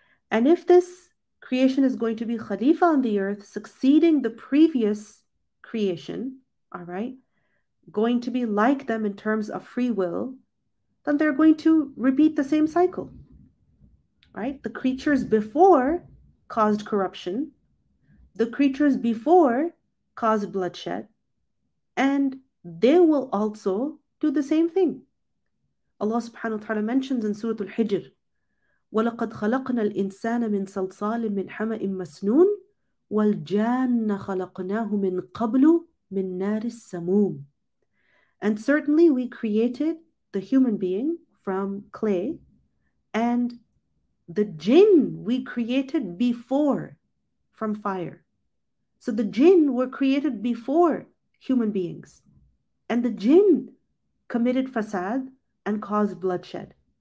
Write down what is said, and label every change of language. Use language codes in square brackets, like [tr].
[en] And if this creation is going to be Khalifa on the earth, succeeding the previous creation, all right, going to be like them in terms of free will, then they're going to repeat the same cycle, right? The creatures before caused corruption, the creatures before caused bloodshed, and they will also do the same thing. Allah subhanahu wa ta'ala mentions in Surah Al-Hijr, [ar] وَلَقَدْ خَلَقْنَا الْإِنسَانَ مِنْ صَلْصَالٍ مِنْ حَمَإٍ مَسْنُونٍ وَالْجَانَّ خَلَقْنَاهُ مِنْ قَبْلُ مِنْ نَارِ السَّمُومِ. [en] And certainly we created the human being from clay, and the jinn we created before from fire. So the jinn were created before human beings, and the jinn committed fasad and caused bloodshed.